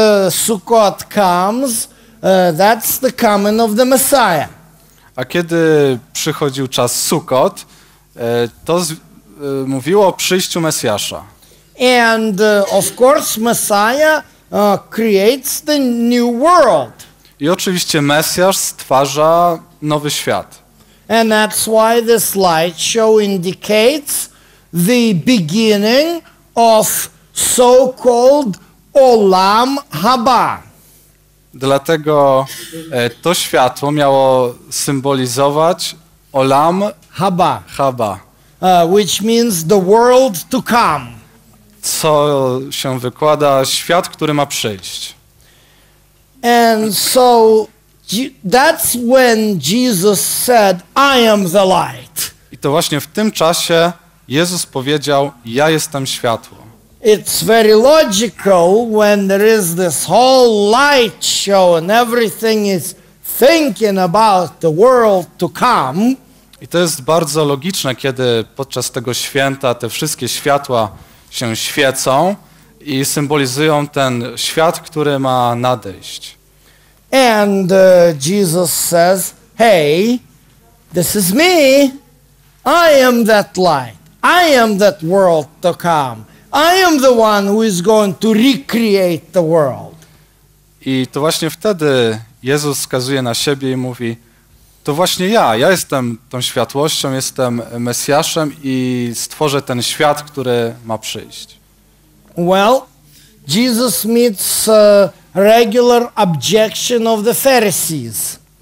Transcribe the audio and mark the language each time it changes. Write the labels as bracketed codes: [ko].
[en] Sukkot comes, that's the coming of the Messiah. [pl] A kiedy przychodził czas Sukkot, to mówiło o przyjściu Mesjasza. [en] And of course Messiah creates the new world. [pl] I oczywiście Mesjasz stwarza nowy świat. [en] And that's why the slideshow indicates the beginning of so-called Olam Haba. [pl] Dlatego to światło miało symbolizować Olam Haba. Haba. [en] Which means the world to come. [pl] Co się wykłada, świat, który ma przyjść. [en] And so that's when Jesus said, I am the light. [pl] I to właśnie w tym czasie Jezus powiedział, ja jestem światło. [en] It's very logical when there is this whole light show and everything is thinking about the world to come. [pl] I to jest bardzo logiczne, kiedy podczas tego święta te wszystkie światła się świecą i symbolizują ten świat, który ma nadejść. [en] And Jesus says, hey, this is me. I am that light. I am that world to come. I am the one who is going to recreate the world. [pl] I to właśnie wtedy Jezus wskazuje na siebie i mówi, to właśnie ja jestem tą światłością, jestem Mesjaszem i stworzę ten świat, który ma przyjść. [en] Well, Jesus meets regular objection of the Pharisees.